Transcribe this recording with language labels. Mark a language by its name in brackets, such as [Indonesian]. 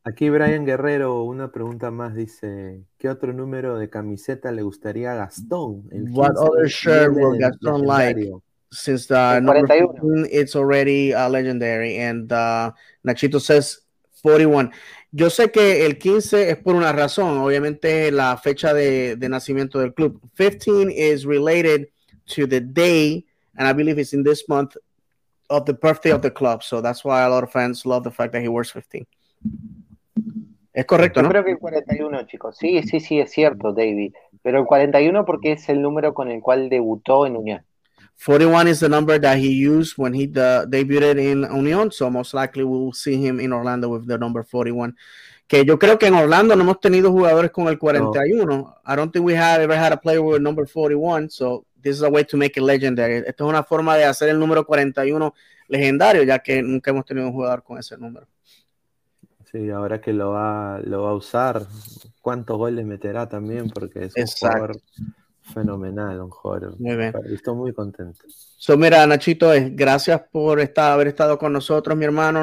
[Spanish] Aquí Brian Guerrero, una pregunta más, dice, ¿qué otro número de camiseta le gustaría a Gastón? [English] What other shirt will Gastón like? Since the number 41, it's already legendary, and Nachito says 41. [Spanish] Yo sé que el 15 es por una razón, obviamente la fecha de nacimiento del club. [English] 15 is related to the day, and I believe it's in this month, of the birthday of the club. So that's why a lot of fans love the fact that he wears 15. [Spanish] Es correcto, ¿no? Yo creo que el 41, chicos. Sí, sí, sí, es cierto, David. Pero el 41 porque es el número con el cual debutó en Unión. [English] 41 is the number that he used when he debuted in Unión. So most likely we'll see him in Orlando with the number 41. [Spanish] Que yo creo que en Orlando no hemos tenido jugadores con el 41. [English] No. I don't think we have ever had a player with number 41. So this is a way to make it legendary. [Spanish] Esto es una forma de hacer el número 41 legendario, ya que nunca hemos tenido un jugador con ese número. Sí, ahora que lo va a usar, ¿cuántos goles meterá también? Porque es un Exacto. jugador fenomenal, un jugador. Muy bien. Estoy muy contento. So, mira, Nachito, gracias por haber estado con nosotros, mi hermano.